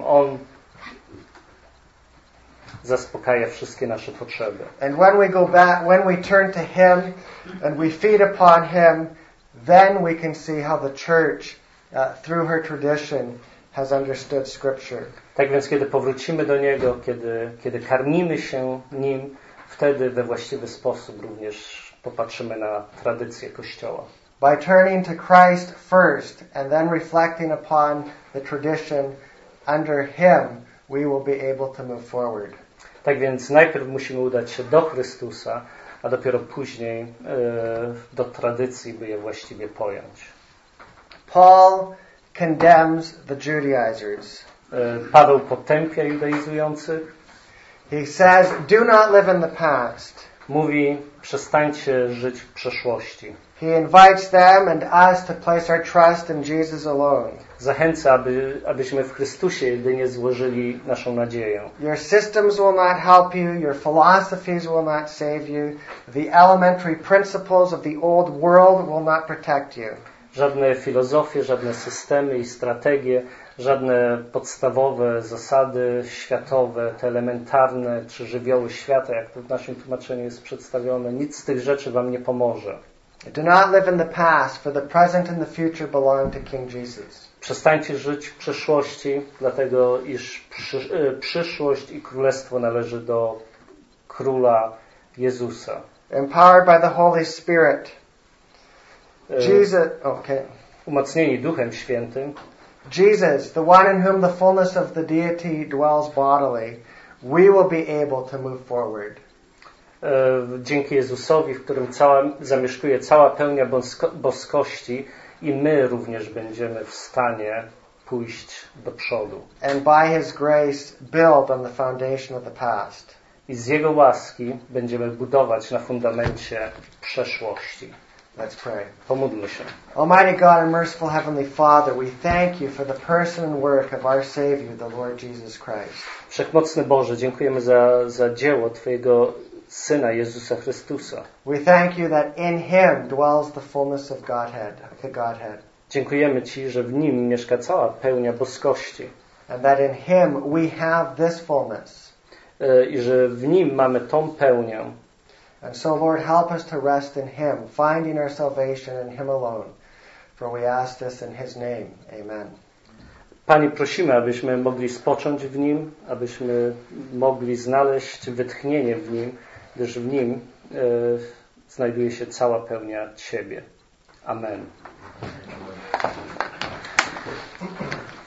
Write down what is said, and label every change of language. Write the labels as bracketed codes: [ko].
[pl] On zaspokaja wszystkie nasze potrzeby. [en] And when we go back, when we turn to Him and we feed upon Him, then we can see how the church through her tradition has understood scripture. [pl] Tak więc kiedy powrócimy do Niego, kiedy karmimy się Nim, wtedy we właściwy sposób również popatrzymy na tradycję Kościoła. [en] By turning to Christ first and then reflecting upon the tradition under Him, we will be able to move forward. [pl] Tak więc najpierw musimy udać się do Chrystusa, a dopiero później do tradycji, by je właściwie pojąć. [en] Paul condemns the Judaizers. [pl] Paweł potępia judaizujących. [en] He says, "Do not live in the past." [pl] Mówi, przestańcie żyć w przeszłości. [en] He invites them and us to place our trust in Jesus alone. [pl] Zachęca, abyśmy w Chrystusie jedynie złożyli naszą nadzieję. [en] Your systems will not help you, your philosophies will not save you, the elementary principles of the old world will not protect you. [pl] Żadne filozofie, żadne systemy i strategie, żadne podstawowe zasady światowe, te elementarne czy żywioły świata, jak to w naszym tłumaczeniu jest przedstawione, nic z tych rzeczy wam nie pomoże. [en] Do not live in the past, for the present and the future belong to King Jesus. [pl] Przestańcie żyć w przeszłości, dlatego iż przyszłość i królestwo należy do Króla Jezusa. [en] Empowered by the Holy Spirit. Jesus, okay. [pl] Umocnieni Duchem Świętym. [en] Jesus, the one in whom the fullness of the deity dwells bodily, we will be able to move forward. [pl] Dzięki Jezusowi, w którym zamieszkuje cała pełnia boskości, i my również będziemy w stanie pójść do przodu. [en] And by His grace, build on the foundation of the past. [pl] I z Jego łaski będziemy budować na fundamencie przeszłości. [en] Let's pray. [pl] Pomódlmy się. [en] Almighty God and merciful Heavenly Father, we thank You for the person and work of our Savior, the Lord Jesus Christ. [pl] Wszechmocny Boże, dziękujemy za dzieło Twojego Syna Jezusa Chrystusa. [en] We thank You that in Him dwells the fullness of Godhead, the Godhead. [pl] Dziękujemy Ci, że w Nim mieszka cała pełnia boskości. [en] And that in Him we have this fullness. [pl] I że w Nim mamy tą pełnię. [en] And so, Lord, help us to rest in Him, finding our salvation in Him alone. For we ask this in His name. Amen. [pl] Panie, prosimy, abyśmy mogli spocząć w Nim, abyśmy mogli znaleźć wytchnienie w Nim, gdyż w Nim znajduje się cała pełnia Ciebie. Amen.